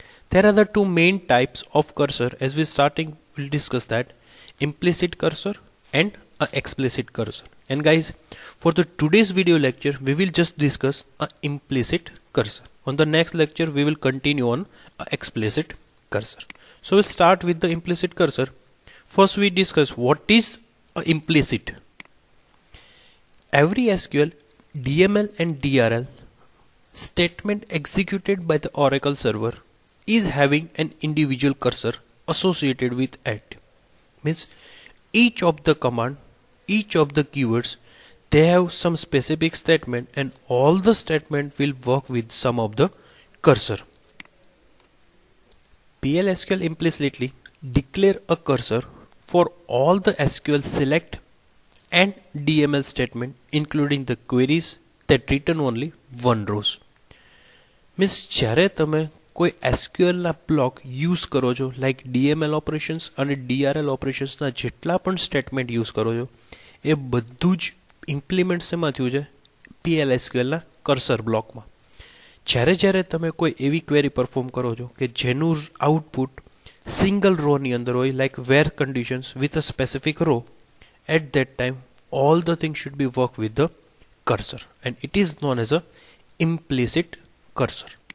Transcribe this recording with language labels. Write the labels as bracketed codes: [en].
[en] There are the two main types of cursor as we starting will discuss that implicit cursor and a explicit cursor. And guys for the today's video lecture we will just discuss a implicit cursor. On the next lecture we will continue on a explicit cursor. So we start with the implicit cursor. First, we discuss what is implicit. Every SQL DML and DRL statement executed by the Oracle server is having an individual cursor associated with it. Means each of the command, each of the keywords, they have some specific statement and all the statement will work with some of the cursor. PL SQL implicitly declare a cursor for all the SQL SELECT and DML statement including the queries that return only one rows. [gu] Means જ્યારે તમે કોઈ SQL ના block use કરો છો like DML operations અને DRL operations ના જેટલા પણ સ્ટેટમેન્ટ યુઝ કરો છો એ બધું જ ઇમ્પ્લિમેન્ટ એમાં થયું છે PL SQL ના કર્સર બ્લોકમાં. જ્યારે જ્યારે તમે કોઈ એવી ક્વેરી પરફોર્મ કરો છો કે જેનું આઉટપુટ સિંગલ રો ની અંદર હોય [en] Like where conditions with a specific row, at that time all the thing should be work with the cursor and it is known as a implicit cursor.